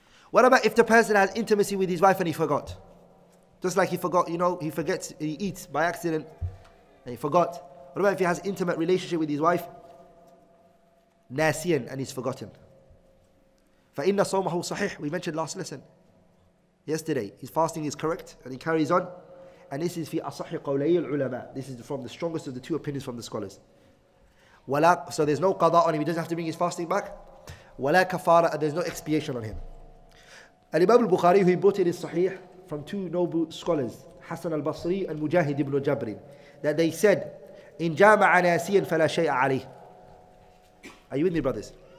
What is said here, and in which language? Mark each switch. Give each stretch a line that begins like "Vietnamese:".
English: What about if the person has intimacy with his wife and he forgot? Just like he forgot, you know, he forgets, he eats by accident and he forgot. What about if he has intimate relationship with his wife? Nasiyan, and he's forgotten.
Arabic: فَإِنَّ صَوْمَهُ صَحِحْ
English: We mentioned last lesson. Yesterday, his fasting is correct and he carries on. And this is
Arabic: في أصحي قولي العلماء.
English: This is from the strongest of the two opinions from the scholars.
Arabic: وَلَا
English: So there's no qada on him. He doesn't have to bring his fasting back.
Arabic: وَلَا كَفَارَ
English: And there's no expiation on him. الإمام البخاري who he brought in his Sahih from two noble scholars, Hassan al-Basri and Mujahid ibn Jabrin, that they said,
Arabic: إِن جَامَعَ نَاسِيًا فَلَا شَيْءَ عَلَيْهِ
English: Are you with me, brothers?